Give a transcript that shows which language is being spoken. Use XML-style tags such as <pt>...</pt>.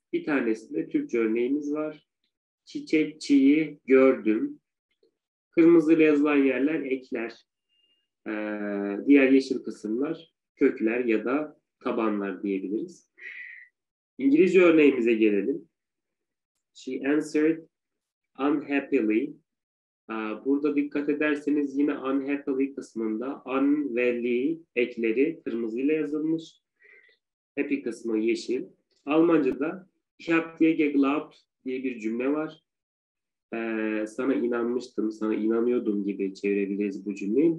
<tr>Bir tanesinde Türkçe örneğimiz var. Çiçekçiyi gördüm. Kırmızıyla yazılan yerler ekler. Diğer yeşil kısımlar kökler ya da tabanlar diyebiliriz. İngilizce örneğimize gelelim.</tr> <en>She answered unhappily.</en> <tr>Burada dikkat ederseniz yine unhappily kısmında unwilling ekleri kırmızıyla yazılmış. Happy kısmı yeşil. Almanca'da</tr> <de>Ich hab dir geglaubt</de> <tr>diye bir cümle var. Sana inanmıştım, sana inanıyordum gibi çevirebiliriz bu cümleyi.</tr>